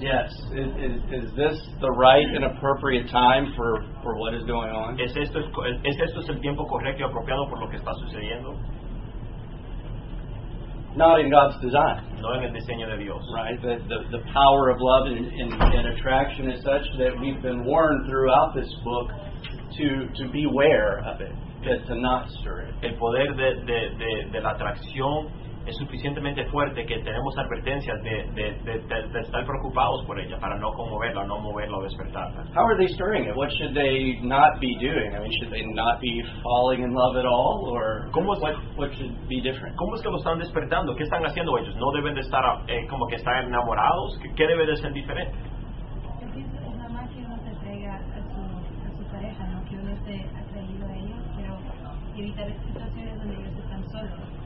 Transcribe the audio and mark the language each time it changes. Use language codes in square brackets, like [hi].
[en] Yes, is this the right and appropriate time for what is going on? [es] ¿Es esto el tiempo correcto y apropiado por lo que está sucediendo? [en] Not in God's design. [es] No en el diseño de Dios. [en] Right, the power of love and attraction is such that we've been warned throughout this book to beware of it, to not stir it. [es] El poder de la atracción es suficientemente fuerte que tenemos advertencias de estar preocupados por ella para no conmoverla, no moverla o despertarla. [en] How are they stirring it? What should they not be doing? I mean, should they not be falling in love at all? Or what should be different? [es] ¿Cómo es que lo están despertando? ¿Qué están haciendo ellos? ¿No deben de estar como que están enamorados? ¿Qué debe de ser diferente? Es nada más que uno se entrega a su pareja, ¿no? Que uno esté atraído a ellos, pero evitar situaciones donde ellos están solos.